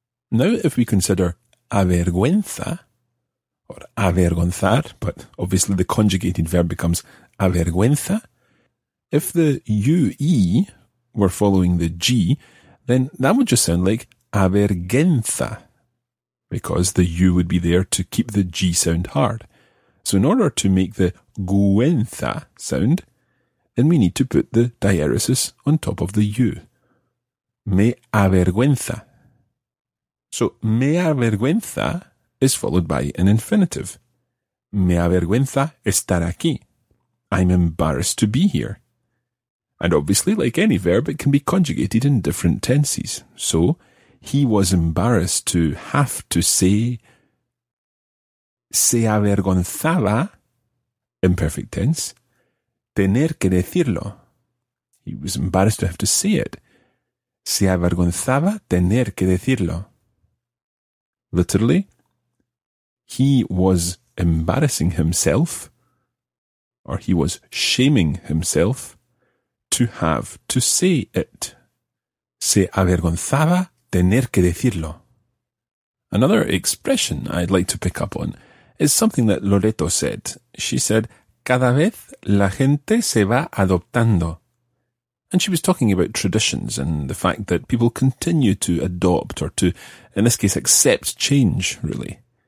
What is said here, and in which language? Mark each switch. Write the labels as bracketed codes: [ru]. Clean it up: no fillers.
[en] Now, if we consider avergüenza, or avergonzar, but obviously the conjugated verb becomes avergüenza, if the UE were following the G, then that would just sound like avergüenza, because the U would be there to keep the G sound hard. So in order to make the güenza sound, then we need to put the diéresis on top of the U. [es] Me avergüenza. [en] So, me avergüenza is followed by an infinitive. [es] Me avergüenza estar aquí. [en] I'm embarrassed to be here. And obviously, like any verb, it can be conjugated in different tenses. So, he was embarrassed to have to say, [es] se avergonzaba, [en] imperfect tense, [es] tener que decirlo. [en] He was embarrassed to have to say it. [es] Se avergonzaba tener que decirlo. [en] Literally, he was embarrassing himself, or he was shaming himself, to have to say it. [es] Se avergonzaba tener que decirlo. [en] Another expression I'd like to pick up on is something that Loreto said. She said, [es] cada vez la gente se va adoptando. [en] And she was talking about traditions and the fact that people continue to adopt or to, in this case, accept change, really.